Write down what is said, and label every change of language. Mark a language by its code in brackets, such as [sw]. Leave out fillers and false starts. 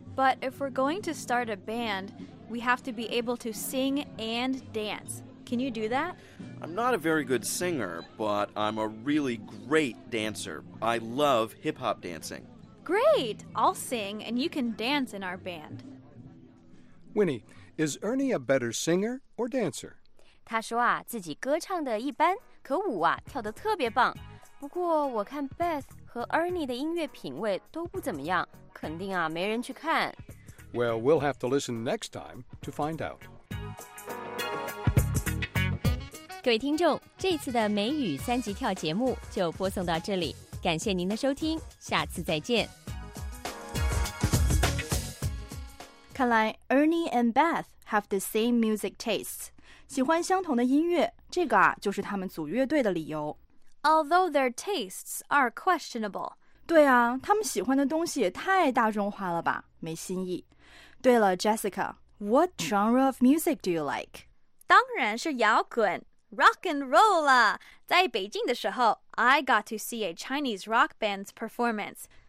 [en] But if we're going to start a band, we have to be able to sing and dance. Can you do that? I'm not a very good singer, but I'm a really great dancer. I love hip-hop dancing. Great! I'll sing and you can dance in our band. Winnie, is Ernie a better singer or dancer? [zh] 他说啊，自己歌唱的一般，可舞啊跳得特别棒。不过我看 Beth 和 Ernie 的音乐品味都不怎么样，肯定啊没人去看。 [en] Well, we'll have to listen next time to find out. [zh] 各位听众，这次的美语三级跳节目就播送到这里，感谢您的收听，下次再见。看来 [en] Ernie and Beth have the same music tastes. [zh] 喜欢相同的音乐，这个啊，就是他们组乐队的理由。 [en] Although their tastes are questionable. [zh] 对啊，他们喜欢的东西也太大众化了吧，没新意。对了 [en] ，Jessica, what genre of music do you like? [zh] 当然是摇滚 [en] ，rock and roll 啦。 [zh] 在北京的时候 [en] ，I got to see a Chinese rock band's performance.